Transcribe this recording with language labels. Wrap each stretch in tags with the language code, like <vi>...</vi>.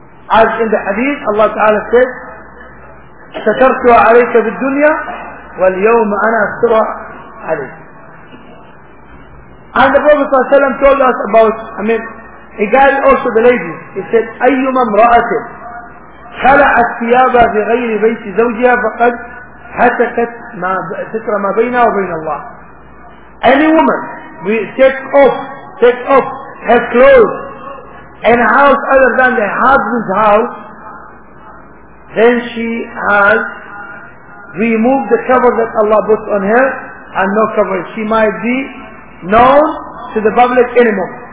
<en>As in the hadith, Allah Ta'ala said,</en> <ar>سَتَرْتُ عَلَيْكَ بِالدُّنْيَا وَالْيَوْمَ أَنَا أَسْتُرَ عَلَيْكَ.</ar> <en>And the Prophet ﷺ told us about, he got also the ladies. He said,</en> <ar>أَيُّمَا امْرَأَةٍ خَلَعَتْ ثِيَابَ بِغَيْرِ بَيْتِ زَوْجِهَا فَقَدْ هَتَكَتْ سِتْرَ مَا بَيْنَهُ وَبَيْنَ اللَّهِ.</ar> <en>Any woman, we take off her clothes in a house other than the husband's house, then she has removed the cover that Allah put on her, and no cover. She might be known to the public anymore.</en>